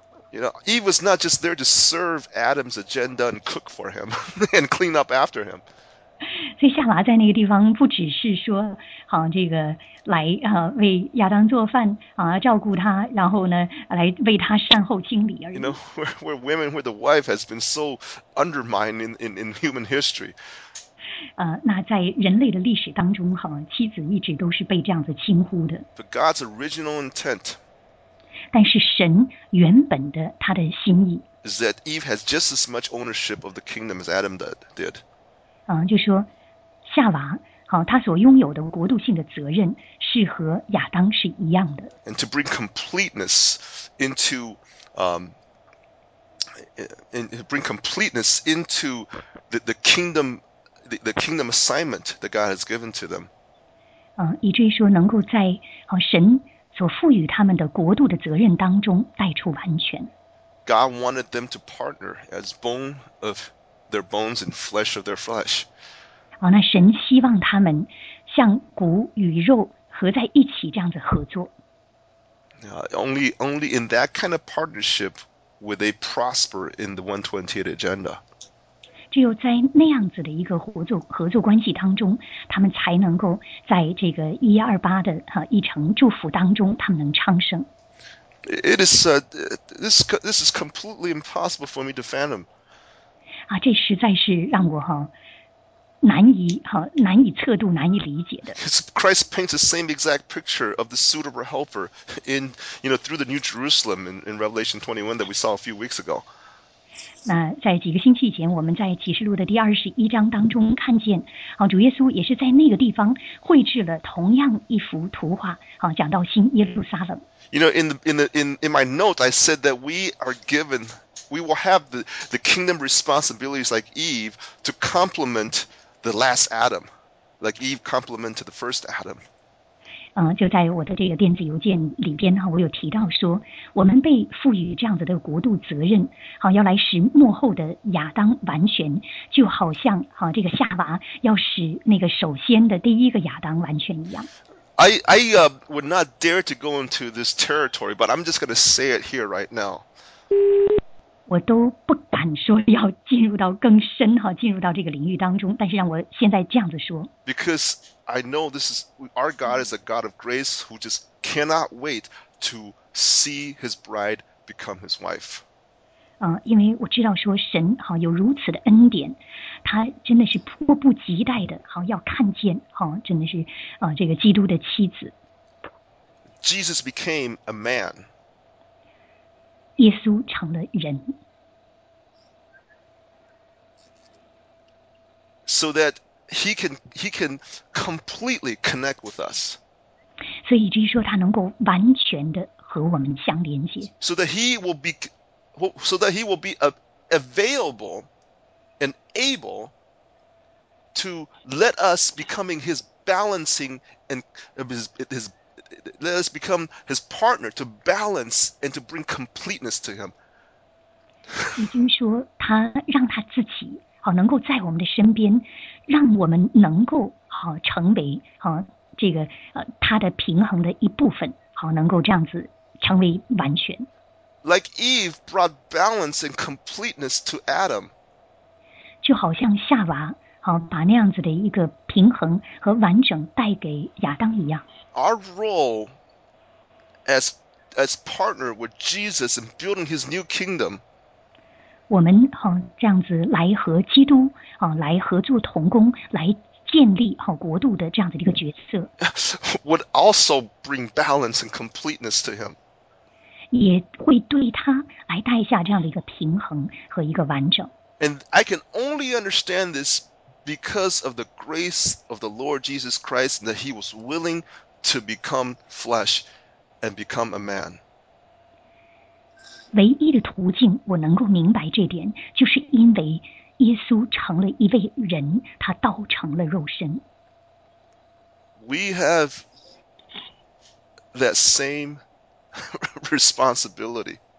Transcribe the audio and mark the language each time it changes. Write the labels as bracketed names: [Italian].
[English] You know, Eve was not just there to serve Adam's agenda and cook for him and clean up after him. [Chinese] 所以夏娃在那个地方不只是说，这个来为亚当做饭照顾他，然后呢来为他善后清理而已。 [English] You know, where women, where the wife has been so undermined in human history. [Chinese] 那在人类的历史当中，妻子一直都是被这样子轻忽的。 [English] But God's original intent. [Chinese] 但是神原本的他的心意 [English] is that Eve has just as much ownership of the kingdom as Adam did. [Chinese] 就说夏娃，他所拥有的国度性的责任是和亚当是一样的。 [English] And to bring completeness into, bring completeness into the kingdom assignment that God has given to them. [Chinese] 以至于说能够在神所赋予他们的国度的责任当中带出完全。 [English] God wanted them to partner as bone of their bones and flesh of their flesh. [Chinese] 那神希望他们像骨与肉合在一起这样子合作。 [English] Only in that kind of partnership will they prosper in the 128 agenda. [Chinese] 只有在那样子的一个合作关系当中，他们才能够在这个128的一程祝福当中，他们能昌盛。 [English] It is this is completely impossible for me to fathom. [Chinese] 这实在是让我难以测度、难以理解的。 [English] Christ paints the same exact picture of the suitable helper in, you know, through the New Jerusalem in Revelation 21 that we saw a few weeks ago. [Chinese] 那在几个星期前，我们在启示录的第21章当中看见，主耶稣也是在那个地方绘制了同样一幅图画，讲到新耶路撒冷。 [English] You know, in my note, I said that we will have the kingdom responsibilities like Eve to complement the last Adam, like Eve complemented the first Adam. [Chinese] 就在我的这个电子邮件里边我有提到说，我们被赋予这样子的国度责任，要来使幕后的亚当完全，就好像这个夏娃要使那个首先的第一个亚当完全一样。 [English] I would not dare to go into this territory, but I'm just going to say it here right now. [Chinese] 我都不敢说要进入到更深进入到这个领域当中，但是让我现在这样子说。 [English] Because. I know this is our God is a God of grace who just cannot wait to see his bride become his wife. [Chinese] 因为我知道说神有如此的恩典，他真的是迫不及待的要看见真的是这个基督的妻子。 [English] Jesus became a man. [Chinese] 耶稣成了人。 [English] So that. He can completely connect with us. [Chinese] 所以以至于说他能够完全的和我们相连接。 [English] So that he will be available and able to let us becoming his balancing and his let us become his partner to balance and to bring completeness to him. [Chinese] 也就是说，他让他自己能够在我们的身边。让我们能够成为这个他的平衡的一部分能够这样子成为完全。 [English] Like Eve brought balance and completeness to Adam. [Chinese] 就好像夏娃把那样子的一个平衡和完整带给亚当一样。 [English] Our role as partner with Jesus in building his new kingdom. [Chinese] 我们这样子来和基督来合作同工，来建立国度的这样子的一个角色。 [English] Would also bring balance and completeness to him. [Chinese] 也会对他来带下这样的一个平衡和一个完整。 [English] And I can only understand this because of the grace of the Lord Jesus Christ that he was willing to become flesh and become a man. [Chinese] 唯一的途径我能够明白这点，就是因为耶稣成了一位人，他道成了肉身。 [English] We have that same responsibility.